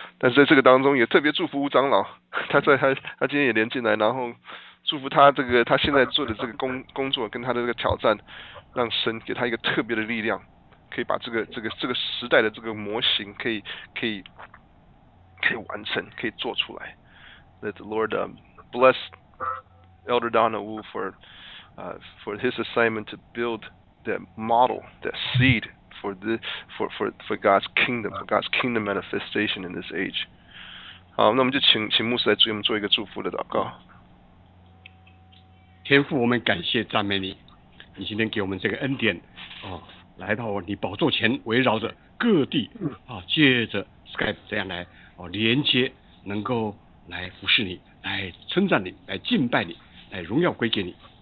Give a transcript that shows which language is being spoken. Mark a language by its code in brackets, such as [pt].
[zh] 但是在这个当中也特别祝福吴长老，他今天也连进来，然后祝福他这个他现在做的这个工作跟他的这个挑战，让神给他一个特别的力量，可以把这个时代的这个模型可以完成，可以做出来。 [en] Let the Lord bless Elder Donna Wu for his assignment to build that model, that seed for God's kingdom, for God's kingdom manifestation in this age. [zh] 好，那我们就请牧师来为我们做一个祝福的祷告。天父，我们感谢赞美你，你今天给我们这个恩典，来到你宝座前，围绕着各地，借着 Skype 这样来连接，能够来服侍你，来称赞你，来敬拜你，来荣耀归给你。